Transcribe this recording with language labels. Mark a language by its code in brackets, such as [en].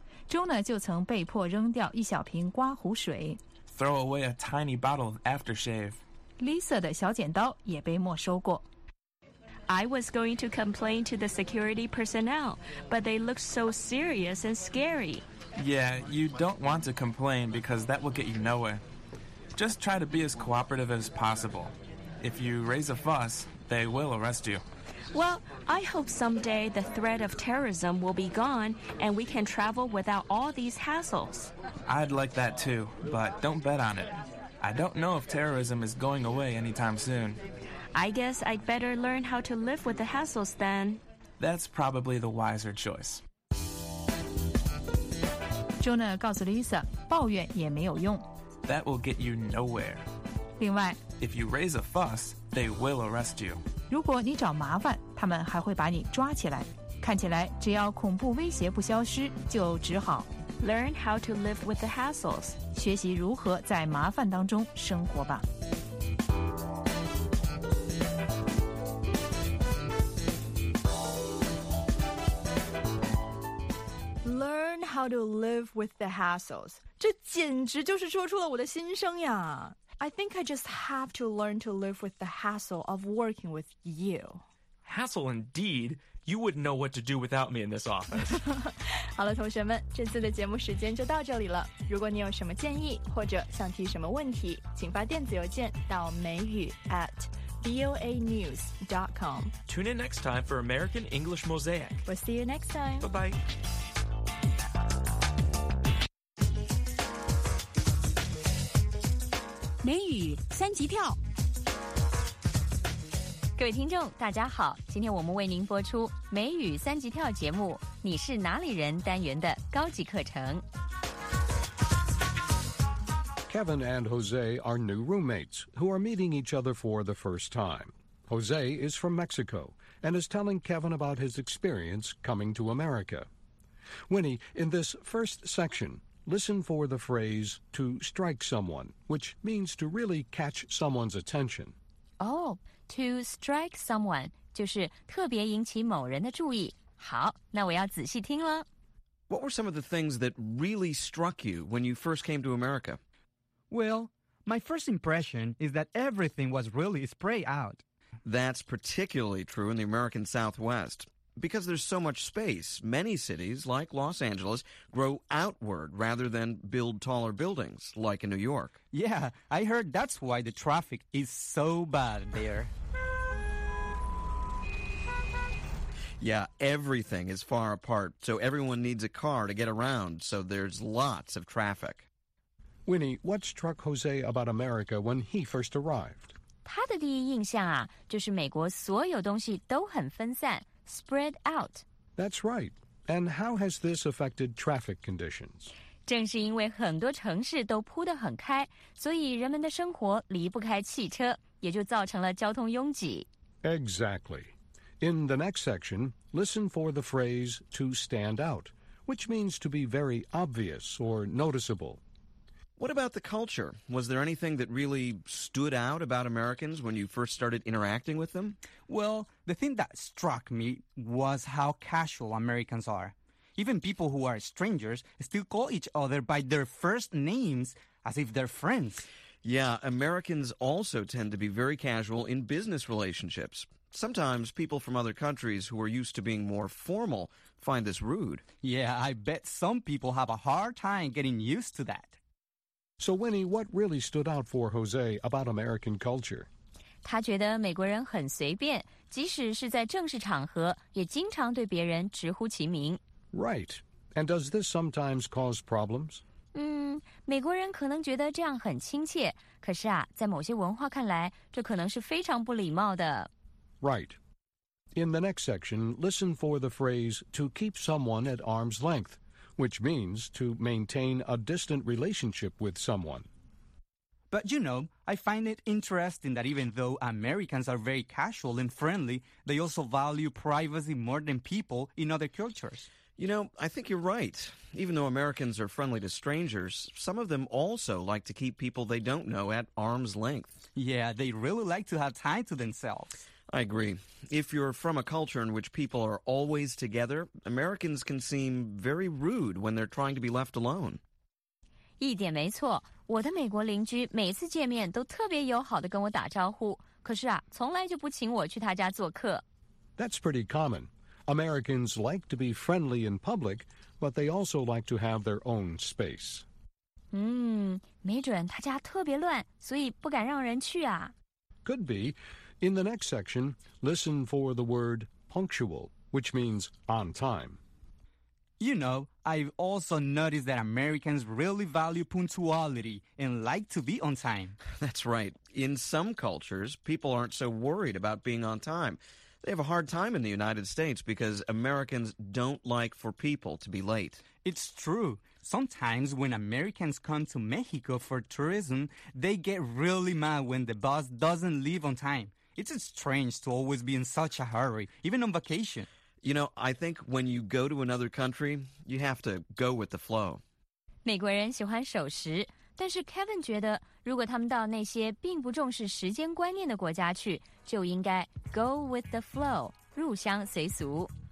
[zh] Jonah 就曾被迫扔掉一小瓶刮胡水。 [en] Throw away a tiny bottle of aftershave. [zh] Lisa 的小剪刀也被没收过。 [en] I was going to complain to the security personnel, but they looked so serious and scary. Yeah, you don't want to complain because that will get you nowhere. Just try to be as cooperative as possible. If you raise a fuss, they will arrest you. Well, I hope someday the threat of terrorism will be gone and we can travel without all these hassles. I'd like that too, but don't bet on it. I don't know if terrorism is going away anytime soon. I guess I'd better learn how to live with the hassles then. That's probably the wiser choice. [zh] Jonah 告诉 Lisa, 抱怨也没有用。 [en] That will get you nowhere. [zh] 另外， [en] If you raise a fuss, they will arrest you. [zh] 如果你找麻烦，他们还会把你抓起来。看起来，只要恐怖威胁不消失，就只好 [en] Learn how to live with the hassles. [zh] 学习如何在麻烦当中生活吧。 [en] How to live with the hassles. [zh] 这简直就是说出了我的心声呀。 [en] I think I just have to learn to live with the hassle of working with you. Hassle indeed. You wouldn't know what to do without me in this office. [zh] 好了，同学们，这次的节目时间就到这里了。如果你有什么建议或者想提什么问题，请发电子邮件到美语 @voanews.com. [en] Tune in next time for American English Mosaic. We'll see you next time. Bye-bye. [zh] 美语三级跳各位听众大家好，今天我们为您播出美语三级跳节目你是哪里人单元的高级课程。 [en] Kevin and Jose are new roommates who are meeting each other for the first time. Jose is from Mexico and is telling Kevin about his experience coming to America. Winnie, in this first section, listen for the phrase to strike someone, which means to really catch someone's attention. Oh, to strike someone [zh] 就是特别引起某人的注意。好，那我要仔细听了。 [en] What were some of the things that really struck you when you first came to America? Well, my first impression is that everything was really spread out. That's particularly true in the American Southwest. Because there's so much space, many cities, like Los Angeles, grow outward rather than build taller buildings, like in New York. Yeah, I heard that's why the traffic is so bad there. Yeah, everything is far apart, so everyone needs a car to get around, so there's lots of traffic. Winnie, what struck Jose about America when he first arrived? [zh] 他的第一印象啊，就是美国所有东西都很分散。 [en] Spread out. That's right. And how has this affected traffic conditions? [zh] 正是因为很多城市都铺得很开，所以人们的生活离不开汽车，也就造成了交通拥挤。 [en] Exactly. In the next section, listen for the phrase to stand out, which means to be very obvious or noticeable. What about the culture? Was there anything that really stood out about Americans when you first started interacting with them? Well, the thing that struck me was how casual Americans are. Even people who are strangers still call each other by their first names as if they're friends. Yeah, Americans also tend to be very casual in business relationships. Sometimes people from other countries who are used to being more formal find this rude. Yeah, I bet some people have a hard time getting used to that. So, Winnie, what really stood out for Jose about American culture? [zh] 他觉得美国人很随便，即使是在正式场合，也经常对别人直呼其名。 [en] Right. And does this sometimes cause problems? [zh] 美国人可能觉得这样很亲切，可是啊，在某些文化看来，这可能是非常不礼貌的。 [en] Right. In the next section, listen for the phrase to keep someone at arm's length. Which means to maintain a distant relationship with someone. But you know, I find it interesting that even though Americans are very casual and friendly, they also value privacy more than people in other cultures. You know, I think you're right. Even though Americans are friendly to strangers, some of them also like to keep people they don't know at arm's length. Yeah, they really like to have time to themselves. I agree. If you're from a culture in which people are always together, Americans can seem very rude when they're trying to be left alone. [zh] 一点没错，我的美国邻居每次见面都特别友好地跟我打招呼，可是啊，从来就不请我去他家做客。 [en] That's pretty common. Americans like to be friendly in public, but they also like to have their own space. [zh] 没准他家特别乱，所以不敢让人去啊。 [en] Could be. In the next section, listen for the word punctual, which means on time. You know, I've also noticed that Americans really value punctuality and like to be on time. That's right. In some cultures, people aren't so worried about being on time. They have a hard time in the United States because Americans don't like for people to be late. It's true. Sometimes when Americans come to Mexico for tourism, they get really mad when the bus doesn't leave on time. It's strange to always be in such a hurry, even on vacation. You know, I think when you go to another country, you have to go with the flow. [zh] 美国人喜欢守时，但是 Kevin 觉得，如果他们到那些并不重视时间观念的国家去，就应该 [en] go with the flow, [zh] 入乡随俗。